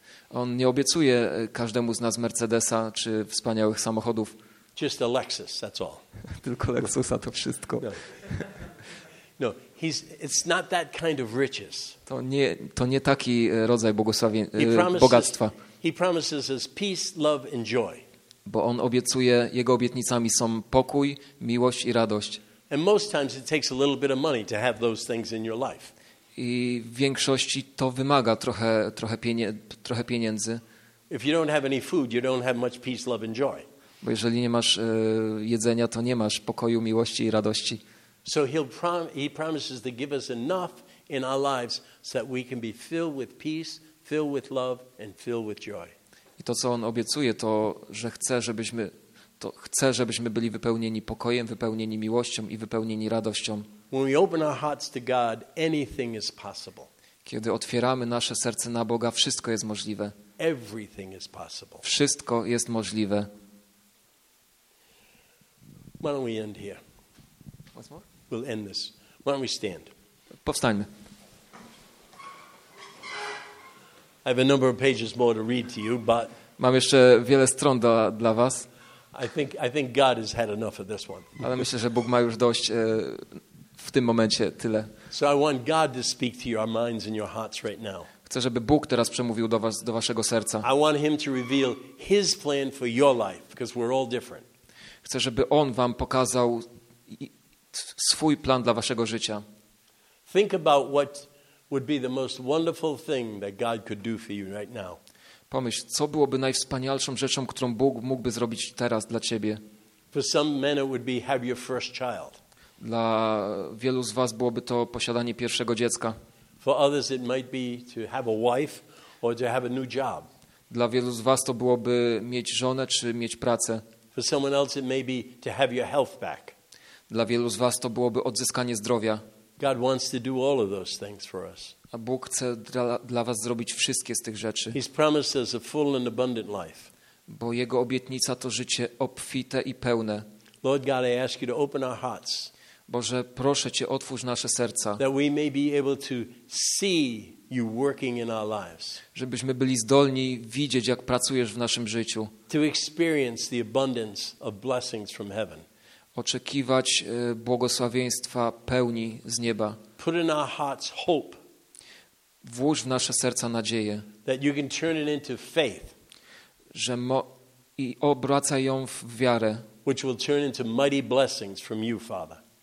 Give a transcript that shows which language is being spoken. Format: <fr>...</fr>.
<pl>On nie obiecuje każdemu z nas Mercedesa czy wspaniałych samochodów.</pl> <en>Just a Lexus, that's all.</en> <pl>Tylko Lexusa to wszystko.</pl> <en>No, it's not that kind of riches.</en> <pl>To nie taki rodzaj bogactwa.</pl> <en>He promises us peace, love and joy.</en> <pl>Bo on obiecuje, jego obietnicami są pokój, miłość i radość.</pl> <en>And most times it takes a little bit of money to have those things in your life.</en> <pl>I w większości to wymaga trochę pieniędzy.</pl> <en>If you don't have any food, you don't have much peace, love and joy.</en> <pl>Bo jeżeli nie masz jedzenia, to nie masz pokoju, miłości i radości.</pl> <en>So he promises to give us enough in our lives so that we can be filled with peace, filled with love and filled with joy.</en> <pl>I to, co on obiecuje, to że chce, żebyśmy byli wypełnieni pokojem, wypełnieni miłością i wypełnieni radością.</pl> <en>When we open our hearts to God, anything is possible.</en> <pl>Kiedy otwieramy nasze serce na Boga, wszystko jest możliwe.</pl> <en>Everything is possible.</en> <pl>Wszystko jest możliwe.</pl> <en>Why don't we end here? Once more? We'll end this. Why don't we stand?</en> <pl>Powstańmy.</pl> <en>I have a number of pages more to read to you, but</en> <pl>mam jeszcze wiele stron dla was.</pl> <en>I think God has had enough of this one.</en> <pl>Ale myślę, że Bóg ma już dość w tym momencie tyle.</pl> <en>So I want God to speak to your minds and your hearts right now.</en> <pl>Chcę, żeby Bóg teraz przemówił do was, do waszego serca.</pl> <en>I want him to reveal his plan for your life, because we're all different.</en> <pl>Chcę, żeby on wam pokazał swój plan dla waszego życia.</pl> <en>Think about what would be the most wonderful thing that God could do for you right now.</en> <pl>Pomyśl, co byłoby najwspanialszą rzeczą, którą Bóg mógłby zrobić teraz dla ciebie.</pl> <en>For some men it would be have your first child.</en> <pl>Dla wielu z was byłoby to posiadanie pierwszego dziecka.</pl> <en>For others it might be to have a wife or to have a new job.</en> <pl>Dla wielu z was to byłoby mieć żonę czy mieć pracę.</pl> <en>For someone else it may be to have your health back.</en> <pl>Dla wielu z was to byłoby odzyskanie zdrowia.</pl> <en>God wants to do all of those things for us.</en> <pl>A Bóg chce dla was zrobić wszystkie z tych rzeczy.</pl> <en>He's promised us a full and abundant life.</en> <pl>Bo jego obietnica to życie obfite i pełne.</pl> <en>Lord God, I ask you to open our hearts.</en> <pl>Boże, proszę cię, otwórz nasze serca.</pl> <en>That we may be able to see you working in our lives.</en> <pl>Żebyśmy byli zdolni widzieć, jak pracujesz w naszym życiu.</pl> <en>To experience the abundance of blessings from heaven.</en> <pl>Oczekiwać błogosławieństwa pełni z nieba.</pl> <en>Put in our hearts hope.</en> <pl>Włóż w nasze serca nadzieję.</pl> <en>That you can turn it into faith.</en> <pl>Że i obracaj ją w wiarę.</pl> <en>Which will turn into mighty blessings from you, Father.</en>